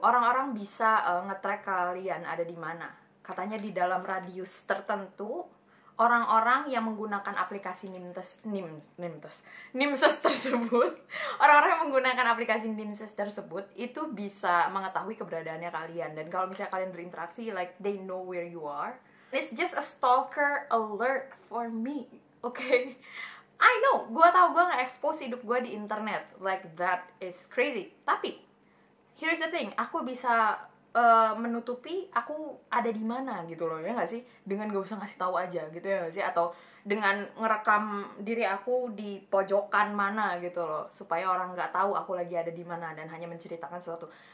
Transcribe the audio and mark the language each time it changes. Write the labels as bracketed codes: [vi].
[id] Orang-orang bisa nge-track kalian ada di mana. Katanya di dalam radius tertentu, orang-orang yang menggunakan aplikasi NIMSES tersebut, orang-orang yang menggunakan aplikasi NIMSES tersebut, itu bisa mengetahui keberadaannya kalian. Dan kalau misalnya kalian berinteraksi, [en] like, they know where you are. It's just a stalker alert for me, okay? [id] I know, gue tahu gue nge-expose hidup gue di internet. [en] Like, that is crazy. [id] Tapi, [en] here's the thing, [id] aku bisa menutupi aku ada di mana gitu loh, ya nggak sih, dengan gak usah ngasih tahu aja gitu, ya nggak sih, atau dengan ngerekam diri aku di pojokan mana gitu loh supaya orang nggak tahu aku lagi ada di mana dan hanya menceritakan sesuatu.